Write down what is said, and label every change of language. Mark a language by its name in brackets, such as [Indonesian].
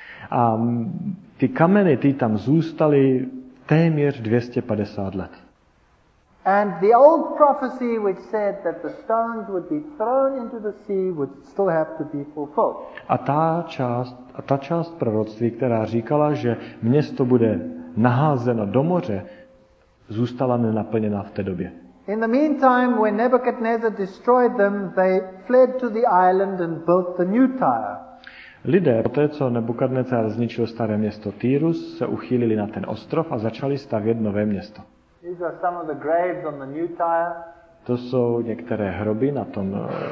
[Czech] A ty kameny, ty tam zůstaly téměř 250 let. [English] And the old prophecy which said that the stones would be thrown into the sea would still have to be fulfilled. [Czech] A ta část proroctví, která říkala, že město bude naházeno do moře, zůstala nenaplněna v té době. [English] In the meantime, when Nebuchadnezzar destroyed them, they fled to the island and built the new Tyre. [Czech] Lidé, poté co Nebukadnezar zničil staré město Týrus, se uchýlili na ten ostrov a začali stavět nové město. [English] These are some of the graves on the new Tyre. [Czech] To jsou některé hroby na tom